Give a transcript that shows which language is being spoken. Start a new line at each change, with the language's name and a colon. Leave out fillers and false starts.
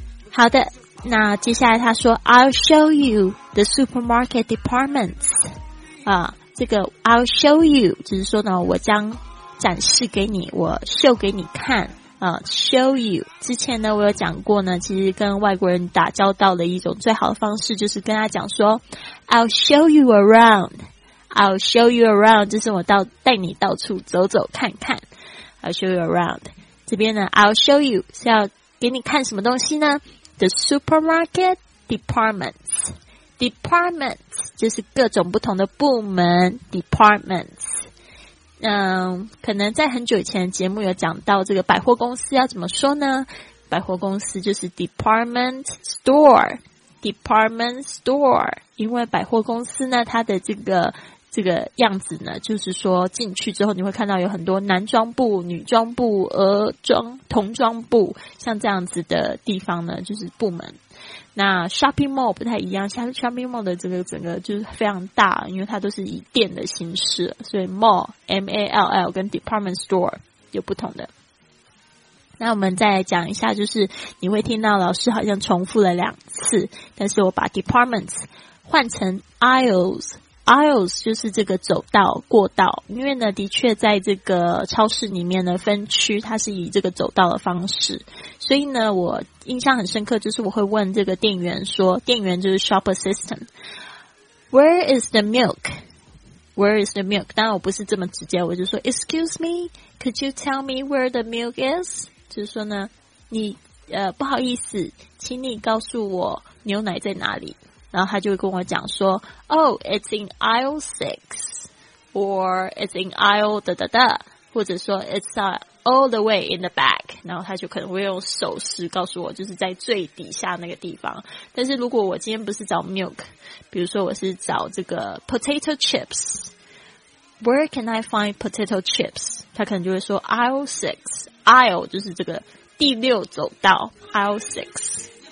Chinese: 好的，那接下来他说
English: I'll show you the supermarket departments,
Chinese: 啊，这个
English: I'll show you
Chinese: 就是说呢，我将展示给你，我秀给你看show you, 之前呢我有讲过呢，其实跟外国人打交道的一种最好的方式就是跟他讲说
English: I'll show you around, I'll show you around,
Chinese: 就是我带你到处走走看看， I'll show you around。这边呢 I'll show you 是要给你看什么东西呢？
English: The supermarket departments,
Chinese: departments 就是各种不同的部门， departments。可能在很久以前的节目有讲到这个百货公司要怎么说呢？百货公司就是 department store, department store， 因为百货公司呢，它的这个样子呢，就是说进去之后你会看到有很多男装部、女装部、儿装、童装部，像这样子的地方呢，就是部门。那 shopping mall 不太一样，像 shopping mall 的整个就是非常大，因为它都是以店的形式，所以 mall M-A-L-L 跟 department store 有不同的。那我们再来讲一下，就是你会听到老师好像重复了两次，但是我把 departments 换成 aisles。 Aisles 就是这个走道过道，因为呢的确在这个超市里面呢分区它是以这个走道的方式，所以呢我印象很深刻，就是我会问这个店员说，店员就是 shop assistant，
English: Where is the milk？ Where is the milk？
Chinese: 当然我不是这么直接，我就说
English: Excuse me， Could you tell me where the milk is？
Chinese: 就是说呢，你不好意思，请你告诉我牛奶在哪里。然后他就会跟我讲说
English: Oh, it's in aisle
Chinese: 6 Or it's in aisle 哒哒哒，或者说
English: It's all the way in the back。
Chinese: 然后他就可能会用手势告诉我，就是在最底下那个地方。但是如果我今天不是找 milk， 比如说我是找这个 potato chips，
English: Where can I find potato chips？
Chinese: 他可能就会说 aisle 6 aisle 就是这个第六走道 aisle 6。